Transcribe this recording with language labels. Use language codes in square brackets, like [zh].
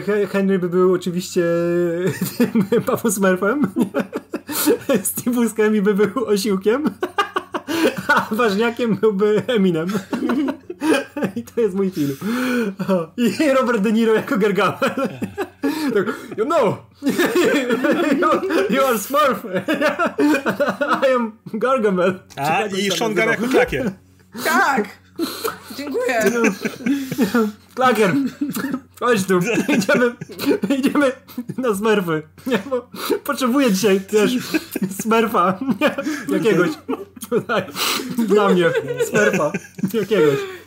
[pl] Henry by był oczywiście tym Papą Smurfem. Steve Buscemi by był Osiłkiem. A Ważniakiem byłby Eminem. I to jest mój film. I Robert De Niro jako Gargamel. Tak, [en] you know, you are Smurf. I am Gargamel. [pl] A i Sean Gunn jako Klakier. Tak. Dziękuję. Klakier. Chodź tu. Idziemy na Smurfy. Nie, bo potrzebuję dzisiaj też Smurfa. Nie, jakiegoś. Dla mnie. Smurfa. Jakiegoś.